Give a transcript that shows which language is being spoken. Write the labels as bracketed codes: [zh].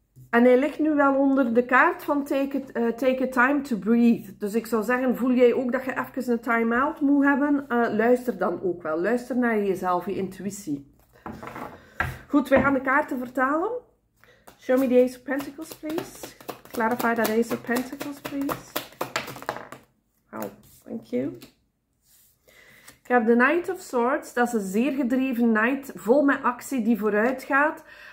[nl] En hij ligt nu wel onder de kaart van [en] take a time to breathe. [nl] Dus ik zou zeggen, voel jij ook dat je even een time-out moet hebben? Luister dan ook wel. Luister naar jezelf, je intuïtie. Goed, wij gaan de kaarten vertalen. [en] Show me the Ace of Pentacles, please. Clarify that Ace of Pentacles, please. [nl] Dank je. Ik heb de Knight of Swords. Dat is een zeer gedreven knight, vol met actie die vooruit gaat.